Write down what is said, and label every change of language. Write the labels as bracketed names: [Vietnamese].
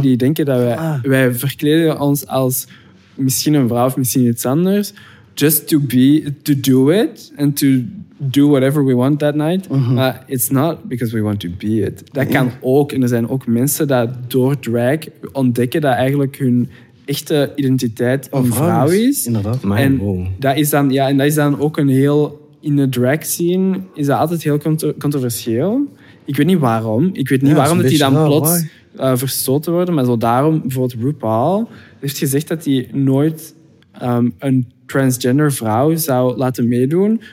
[Dutch] Die denken dat wij verkleden ons als misschien een vrouw of misschien iets anders, [English] just to be, to do it, and to do whatever we want that night. Maar it's not because we want to be it. [Dutch] Dat kan ook. En er zijn ook mensen dat door drag ontdekken dat eigenlijk hun echte identiteit een vrouw is. Inderdaad. En, dat is dan, en dat is dan ook een heel... In de drag scene is dat altijd heel controversieel. Ik weet niet waarom. Ik weet niet waarom dat die dan plots verstoten worden. Maar zo daarom, bijvoorbeeld RuPaul heeft gezegd dat hij nooit een transgender vrouw zou laten meedoen.